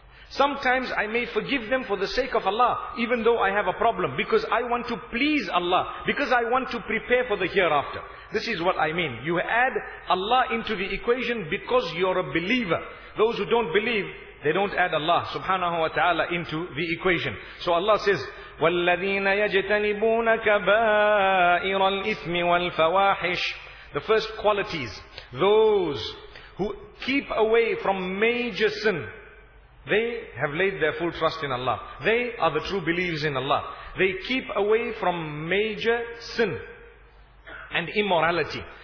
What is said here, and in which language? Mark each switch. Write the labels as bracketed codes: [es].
[en] Sometimes I may forgive them for the sake of Allah, even though I have a problem, because I want to please Allah, because I want to prepare for the hereafter. This is what I mean. You add Allah into the equation because you're a believer. Those who don't believe, they don't add Allah subhanahu wa ta'ala into the equation. So Allah says, [ar] وَالَّذِينَ يَجْتَنِبُونَ كَبَائِرَ الْإِثْمِ وَالْفَوَاحِشِ. [en] The first qualities, those who keep away from major sin, they have laid their full trust in Allah. They are the true believers in Allah. They keep away from major sin and immorality.